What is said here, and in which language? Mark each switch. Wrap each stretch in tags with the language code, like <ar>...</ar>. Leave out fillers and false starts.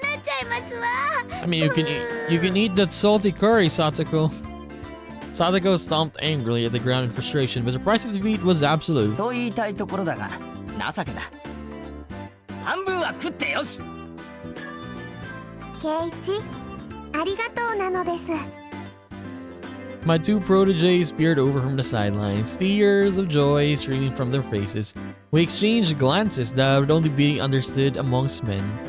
<en>I mean, you can eat that salty curry, Satoko. Satoko stomped angrily at the ground in frustration, but the price of defeat was absolute.</en> <ja>と言いたいところだが、情けだ。半分は食ってよし。ケイチ、ありがとうなのです。</ja> <en>My two proteges peered over from the sidelines, tears of joy streaming from their faces. We exchanged glances that would only be understood amongst men.</en>